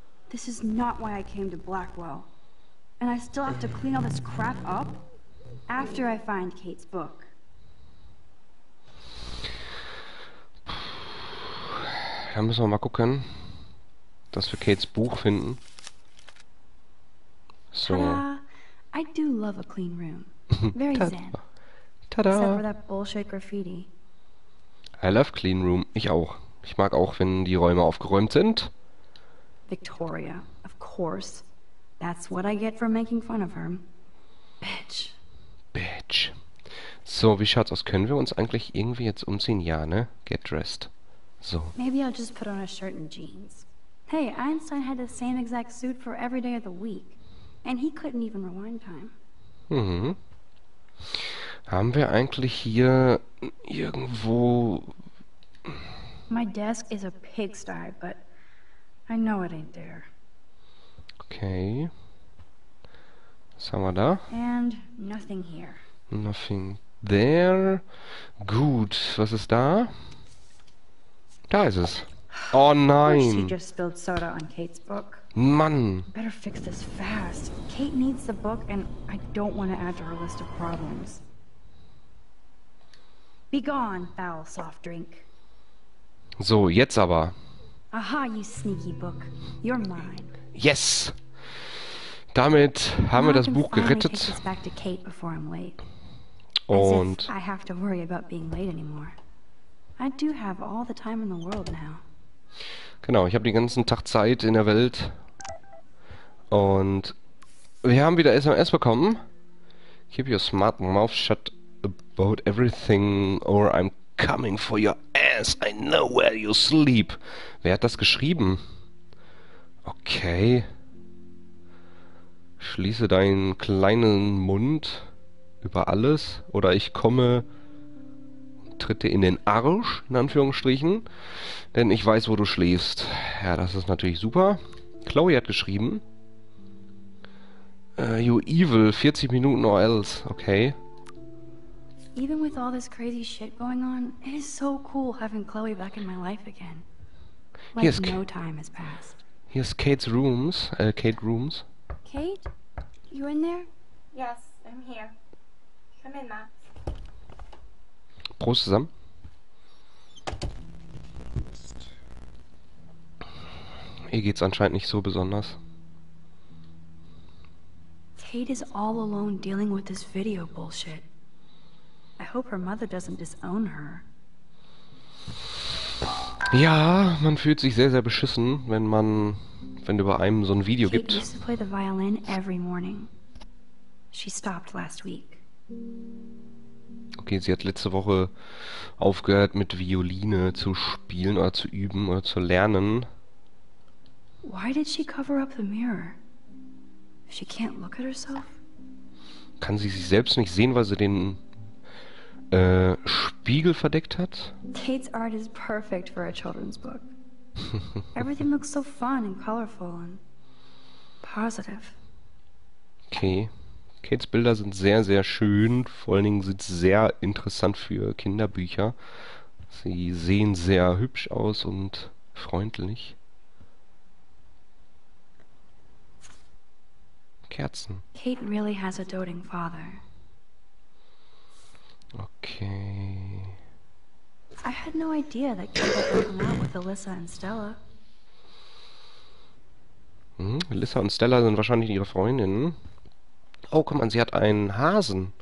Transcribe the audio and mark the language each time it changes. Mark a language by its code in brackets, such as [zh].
[en] This is not why I came to Blackwell. And I still have to clean all this crap up after I find Kate's book. [de] Da müssen wir mal gucken, dass wir Kates Buch finden. So. [en] Tada! I do love a clean room. Very zen. Tada! Except for that bullshit graffiti. I love clean room. [de] Ich auch. Ich mag auch, wenn die Räume aufgeräumt sind. [en] Victoria, of course. That's what I get for making fun of her. Bitch. Bitch. [de] So, wie schaut's aus? Können wir uns eigentlich irgendwie jetzt umziehen? Ja, ne? [en] Get dressed. [de] So. [en] Maybe I'll just put on a shirt and jeans. Hey, Einstein had the same exact suit for every day of the week. And he couldn't even rewind time. [de] Haben wir eigentlich hier irgendwo... [en] My desk is a pigsty, but I know it ain't there. [de] Okay. Was haben wir da? [en] And nothing here. Nothing there. [de] Gut, was ist da? Da ist es. Oh nein. [en] She just spilled soda on Kate's book. [de] Mann. [en] Better fix this fast. Kate needs the book and I don't want to add to her list of problems. Be gone, foul soft drink. [de] So, jetzt aber. [en] Aha, you sneaky book. You're mine. Yes. [de] Damit haben wir das Buch gerettet. [en] Take this back to Kate before I'm late. [de] Und [en] as if I have to worry about being late anymore. I do have all the time in the world now. [de] Genau, ich habe den ganzen Tag Zeit in der Welt. Und wir haben wieder SMS bekommen. [en] Keep your smart mouth shut about everything or I'm coming for your ass. I know where you sleep. [de] Wer hat das geschrieben? Okay. Schließe deinen kleinen Mund über alles oder ich komme tritt dir in den Arsch, in Anführungsstrichen. Denn ich weiß, wo du schläfst. Ja, das ist natürlich super. Chloe hat geschrieben. [en] You evil, 40 Minuten or else. Okay. Even with all this crazy shit going on, it is so cool having Chloe back in my life again. Like no time has passed. Here's Kate's rooms. Kate rooms. Kate? You in there? Yes, I'm here. Come in, Max. [de] Prost zusammen. Ihr geht's anscheinend nicht so besonders. [en] Kate is all alone dealing with this video bullshit. I hope her mother doesn't disown her. [de] Ja, man fühlt sich sehr, sehr beschissen, wenn man, wenn über einem so ein Video Kate gibt. [en] Kate used to play the violin every morning. She stopped last week. [de] Okay, sie hat letzte Woche aufgehört, mit Violine zu spielen oder zu üben oder zu lernen. [en] Why did she cover up the mirror? She can't look at herself? [de] Kann sie sich selbst nicht sehen, weil sie den Spiegel verdeckt hat? [en] Kate's art is perfect for a children's book. Everything looks so fun and colorful and positive. Okay. [de] Kates Bilder sind sehr, sehr schön. Vor allen Dingen sind sie sehr interessant für Kinderbücher. Sie sehen sehr hübsch aus und freundlich. Kerzen. [en] Kate really has a doting father. Okay. I had no idea that Kate had come out with Alyssa and Stella. [de] Alyssa und Stella sind wahrscheinlich ihre Freundinnen. Oh, guck mal, sie hat einen Hasen.